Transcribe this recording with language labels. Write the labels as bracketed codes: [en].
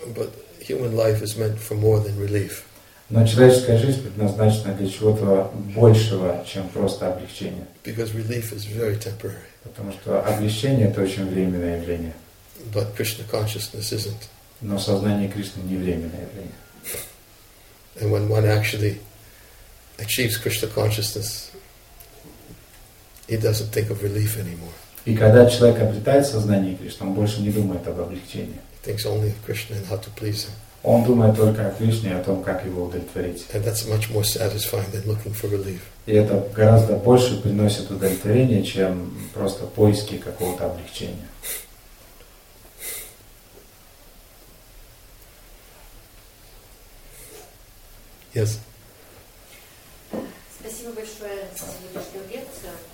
[en] But human life is meant for more than relief. [ru] Но человеческая жизнь предназначена для чего-то большего, чем просто облегчение. [en] Because relief is very temporary. [ru] Потому что облегчение — это очень временное явление. [en] But Krishna consciousness isn't. [ru] Но сознание Кришны не временное явление. [en] And when one actually achieves Krishna consciousness, he doesn't think of relief anymore. [ru] И когда человек обретает сознание Кришны, он больше не думает об облегчении. [en] He thinks only of Krishna and how to please him. [ru] Он думает только о Кришне и о том, как его удовлетворить. [en] And that's much more satisfying than looking for relief. [ru] И это гораздо больше приносит удовлетворение, чем просто поиски какого-то облегчения. [en] Yes. [ru] Спасибо большое за сегодняшнюю лекцию.